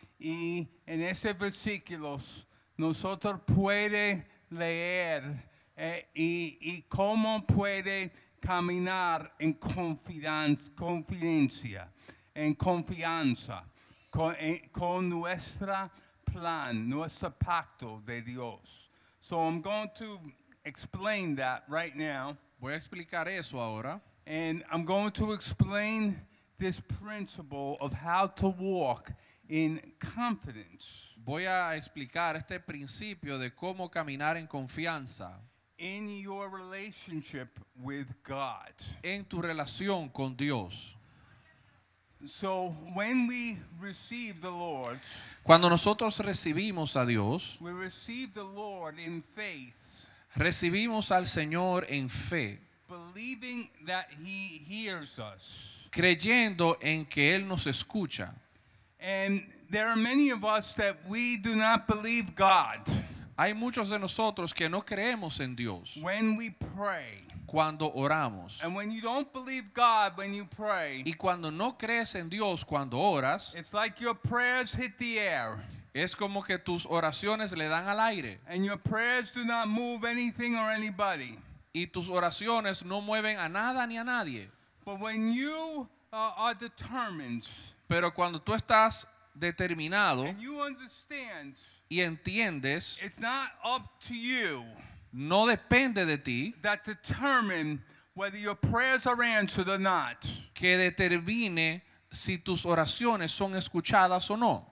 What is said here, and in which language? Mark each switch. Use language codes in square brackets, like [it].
[es] Y en ese versículo nosotros puede leer y cómo puede caminar en confidencia, en confianza con nuestro plan, nuestro pacto de Dios. [en] So I'm going to explain that right now. [es] Voy a explicar eso ahora. [en] And I'm going to explain this principle of how to walk in confidence. [es] Voy a explicar este principio de cómo caminar en confianza. [en] In your relationship with God. [es] En tu relación con Dios. [en] So when we receive the Lord, [es] cuando nosotros recibimos a Dios, [en] we receive the Lord in faith. [es] Recibimos al Señor en fe. [en] Believing that he hears us. [es] Creyendo en que él nos escucha. [en] And there are many of us that we do not believe God. [es] Hay muchos de nosotros que no creemos en Dios. [en] When we pray. [es] Cuando oramos. [en] And when you don't believe God when you pray. [es] Y cuando no crees en Dios cuando oras. [en] It's like your prayers hit the air. [es] Es como que tus oraciones le dan al aire. [en] And your prayers do not move anything or anybody. [es] Y tus oraciones no mueven a nada ni a nadie. [en] But when you are determined. [es] Pero cuando tú estás determinado. [en] And you understand. [es] Y entiendes, [en] it's not up to you, [es] no depende de ti, [en] that determine whether your prayers are answered or not, [es] que determine si tus oraciones son escuchadas o no.